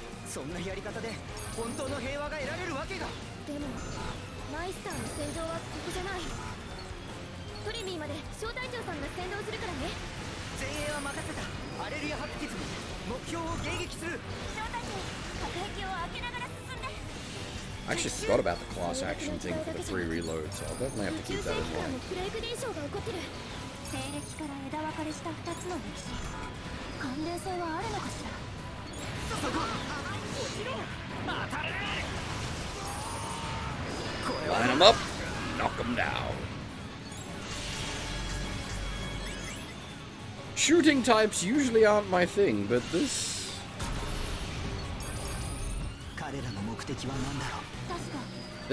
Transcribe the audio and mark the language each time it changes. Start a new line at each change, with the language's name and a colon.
Japanese: そんなやり方で本当の平和が得られるわけが。でもマイスターの戦場はここじゃない。トリミーまで小隊長さんが先導するからね。前衛は任せた。アレリア・ハプティズム、目標を迎撃する。小隊長、核兵器を開けながら進んで。
English: I actually forgot about the class action thing for the free reload, so I'll definitely have to keep that in mind.
Japanese: プレイク現象が起こってる。西暦から枝分かれした2つの歴史、関連性はあるのかしら。
English: Line them up, knock them down. Shooting types usually aren't my thing, but this.
Japanese: 彼らの目的は何だろう。